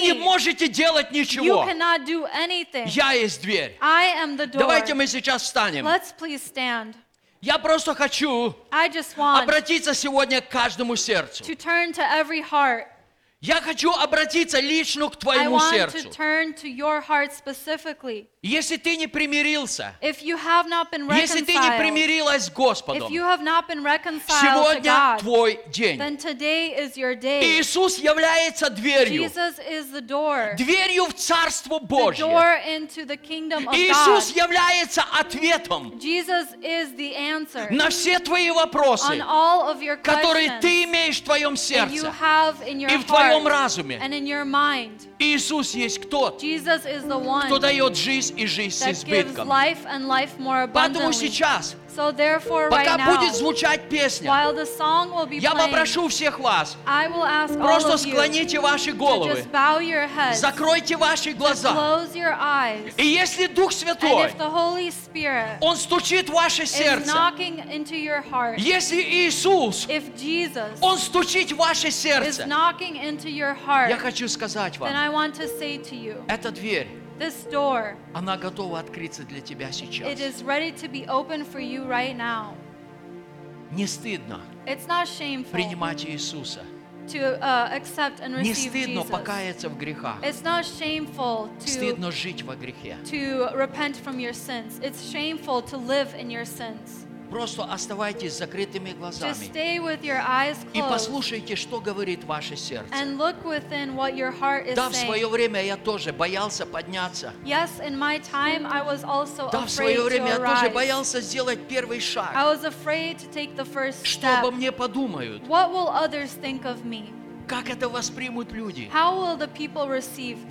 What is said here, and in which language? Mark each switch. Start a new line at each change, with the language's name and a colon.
Russian: не можете делать ничего.
English: You cannot do anything.
Russian: Я есть дверь.
English: I am the door.
Russian: Давайте мы сейчас встанем.
English: Let's please stand.
Russian: Я просто хочу обратиться сегодня к каждому сердцу.
English: To turn to every heart.
Russian: Я хочу обратиться лично к твоему сердцу.
English: I want to turn to your heart specifically.
Russian: Если ты не примирился,
English: if you have not been reconciled,
Russian: если ты не примирилась с Господом,
English: if you have not been reconciled
Russian: сегодня
English: to God,
Russian: твой день.
English: Then today is your day.
Russian: Иисус является дверью.
English: Jesus is the door.
Russian: Дверью в Царство Божье.
English: The door into the kingdom of God.
Russian: Иисус является ответом
English: Jesus is the answer
Russian: на все твои вопросы,
English: on all of your questions
Russian: которые ты имеешь в твоем сердце
English: that you have in your
Russian: и в твоем твоем разуме.
English: And in your mind.
Russian: Иисус есть кто?
English: Jesus is the one.
Russian: Кто дает жизнь и жизнь с избытком.
English: That gives life and life more abundantly.
Russian: Поэтому сейчас.
English: So therefore,
Russian: пока
English: right now,
Russian: будет звучать песня,
English: while the song will be playing,
Russian: я попрошу всех вас,
English: I will ask
Russian: просто
English: all of
Russian: склоните
English: you
Russian: ваши головы,
English: to just bow your heads,
Russian: закройте ваши глаза,
English: to close your eyes,
Russian: и если Дух Святой,
English: and if the Holy Spirit,
Russian: Он стучит в ваше сердце,
English: is knocking into your heart,
Russian: если Иисус,
English: if Jesus,
Russian: Он стучит в ваше сердце,
English: is knocking into your heart,
Russian: я хочу сказать вам,
English: then I want to say to you,
Russian: эта дверь,
English: this door,
Russian: она готова открыться для тебя сейчас.
English: It is ready to be open for you right now.
Russian: Не стыдно.
English: It's not shameful.
Russian: Принимать Иисуса.
English: To accept and receive Jesus.
Russian: Не стыдно покаяться в грехах.
English: It's not shameful to.
Russian: Стыдно жить во грехе.
English: To repent from your sins. It's shameful to live in your sins.
Russian: Просто оставайтесь с закрытыми глазами.
English: Just stay with your eyes closed.
Russian: И послушайте, что говорит ваше сердце.
English: And look within what your heart is saying.
Russian: Да, в свое время я тоже боялся подняться.
English: Yes, in my time I was also afraid to arise.
Russian: Да, в свое время я тоже боялся сделать первый шаг.
English: I was afraid to take the first step.
Russian: Что обо мне подумают?
English: What will others think of me?
Russian: Как это воспримут люди?
English: How will the people receive this?